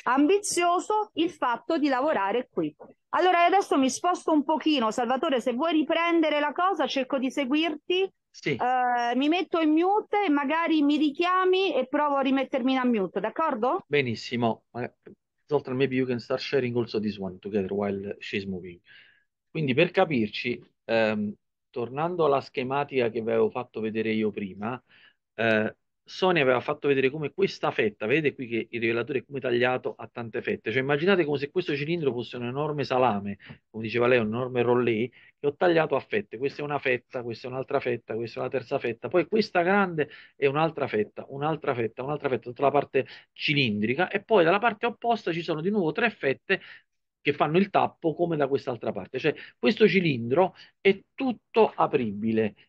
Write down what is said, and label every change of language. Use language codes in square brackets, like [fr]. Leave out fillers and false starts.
[it] Ambizioso il fatto di lavorare qui. Allora, adesso mi sposto un pochino, Salvatore, se vuoi riprendere la cosa, cerco di seguirti. Sì. Mi metto in mute e magari mi richiami e provo a rimettermi in mute, d'accordo? Benissimo. [en] Inoltre, maybe you can start sharing also this one together while she's moving. [it] Quindi, per capirci, tornando alla schematica che vi avevo fatto vedere io prima, Sony aveva fatto vedere come questa fetta, vedete qui che il rivelatore è come tagliato a tante fette, cioè immaginate come se questo cilindro fosse un enorme salame, come diceva lei, un enorme rollet, che ho tagliato a fette, questa è una fetta, questa è un'altra fetta, questa è una terza fetta, poi questa grande è un'altra fetta, un'altra fetta, un'altra fetta, tutta la parte cilindrica, e poi dalla parte opposta ci sono di nuovo tre fette che fanno il tappo come da quest'altra parte, cioè questo cilindro è tutto apribile.